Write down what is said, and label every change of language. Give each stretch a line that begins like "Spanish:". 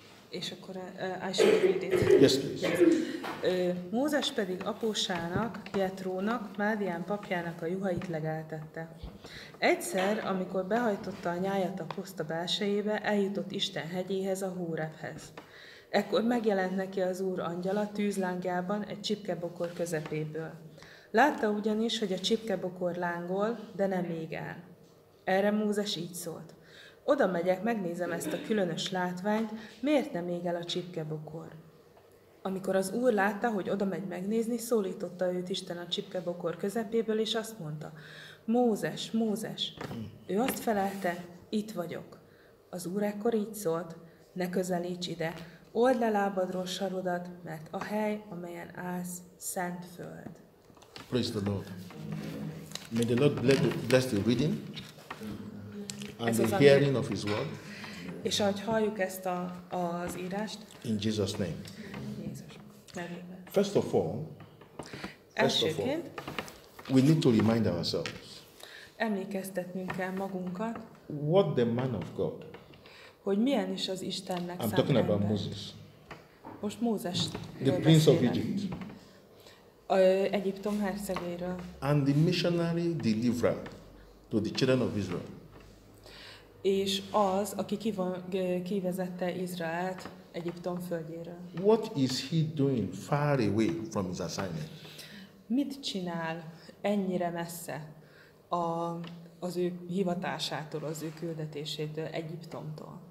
Hungarian: És akkor
English: I should read it. Yes, please.
Hungarian: Mózes pedig apósának, Jetrónak, Mádián papjának a juhait legeltette. Egyszer, amikor behajtotta a nyájat a puszta belsejébe, eljutott Isten hegyéhez, a Hórebhez. Ekkor megjelent neki az Úr angyala tűzlángjában egy csipkebokor közepéből. Látta ugyanis, hogy a csipkebokor lángol, de nem ég el. Erre Mózes így szólt. Oda megyek, megnézem ezt a különös látványt, miért nem ég el a csipkebokor? Amikor az Úr látta, hogy oda megy megnézni, szólította őt Isten a csipkebokor közepéből, és azt mondta, Mózes, Mózes! Ő azt felelte, itt vagyok. Az Úr ekkor így szólt, ne közelíts ide, old le lábadról sarodat, mert a hely, amelyen állsz, szent föld.
English: Praise the Lord. May the Lord bless the reading. And the hearing of his word.
Hungarian: És ahogy halljuk ezt az írást.
English: In Jesus' name.
Hungarian: Jézus.
English: First of all,
Hungarian: elsőként,
English: we need to remind ourselves.
Hungarian: Emlékeztetnünk kell magunkat.
English: What the man of God.
Hungarian: Hogy milyen is az Istennek számára.
English: I'm talking about Moses.
Hungarian: Most Mózes.
English: The prince of Egypt.
Hungarian: Egyiptom hercegéről.
English: And the missionary deliverer to the children of Israel.
Hungarian: És az, aki kivezette Izraelt Egyiptom földjéről.
English: What is he doing far away from his assignment?
Hungarian: Mit csinál ennyire messze az ő hivatásától, az ő küldetésétől, Egyiptomtól?